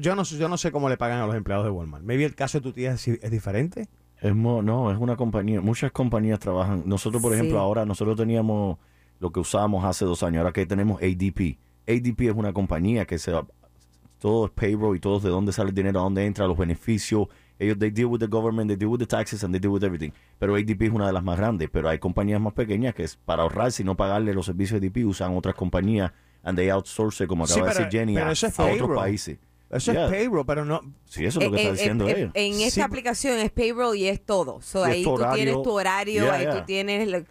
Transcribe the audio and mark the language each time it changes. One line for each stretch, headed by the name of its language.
Spanish: Yo no sé cómo le pagan a los empleados de Walmart. Maybe el caso de tu tía es diferente. Es una compañía. Muchas compañías trabajan. Nosotros, por ejemplo, ahora nosotros teníamos lo que usábamos hace 2 años. Ahora que tenemos ADP. ADP es una compañía que se... Todo es payroll y todo es de dónde sale el dinero, a dónde entra, los beneficios. Ellos,
English: they deal with the government, they deal with the taxes, and they deal with everything.
Spanish: Pero ADP es una de las más grandes. Pero hay compañías más pequeñas que es para ahorrar, si no pagarle los servicios de ADP, usan otras compañías,
English: and they outsource,
Spanish: como acaba de decir Jenny, a otros países. Eso es payroll, pero no... Sí, eso es lo que está diciendo ella. En esta aplicación es payroll y es todo. So, y ahí es tu horario, tienes tu horario, tú tienes...